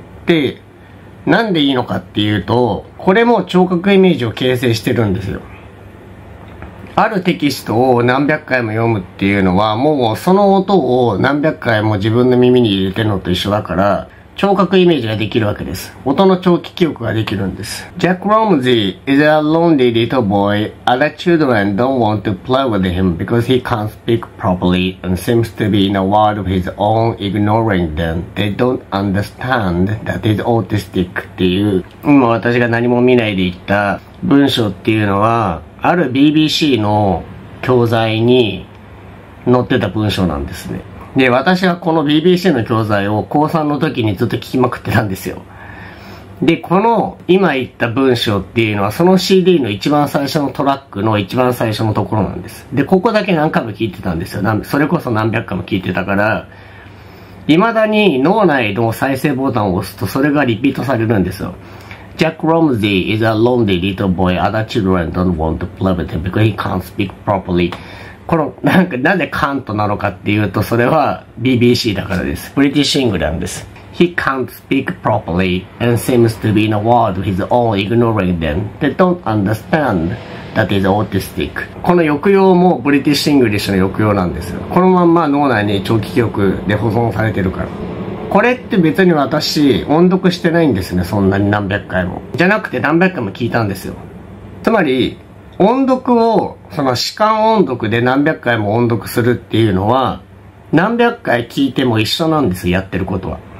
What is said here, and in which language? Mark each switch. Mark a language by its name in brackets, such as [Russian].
[Japanese] でなんでいいのかっていうと、これも聴覚イメージを形成してるんですよ。あるテキストを何百回も読むっていうのは、もうその音を何百回も自分の耳に入れてるのと一緒だから、聴覚イメージができるわけです。音の長期記憶ができるんです。 [English] Jack Ramsey is a lonely little boy. Other children don't want to play with him because he can't speak properly and seems to be in a world of his own, ignoring them. They don't understand that he's autistic [Japanese] っていう、今私が何も見ないで言った文章っていうのは、ある BBC の教材に載ってた文章なんですね。で、私はこの BBC の教材を高3の時にずっと聞きまくってたんですよ。で、この今言った文章っていうのは、その CD の一番最初のトラックの一番最初のところなんです。で、ここだけ何回も聞いてたんですよ。それこそ何百回も聞いてたから、未だに脳内の再生ボタンを押すとそれがリピートされるんですよ。 [English] Jack Ramsey is a lonely little boy. Other children don't want to play with him because he can't speak properly. [Japanese] このなんかなんでカントなのかっていうと、それは BBC だからです。ブリティッシュイングランドです。 [English] He can't speak properly and seems to be in a world of his own, ignoring them. They don't understand that he's autistic. [Japanese] この抑揚もブリティッシュイングリッシュの抑揚なんです。このまんま脳内に長期記憶で保存されてるから。これって別に私、音読してないんですね。そんなに何百回も。じゃなくて何百回も聞いたんですよ。つまり、音読を、その歯間音読で何百回も音読するっていうのは、何百回聞いても一緒なんですよ、やってることは。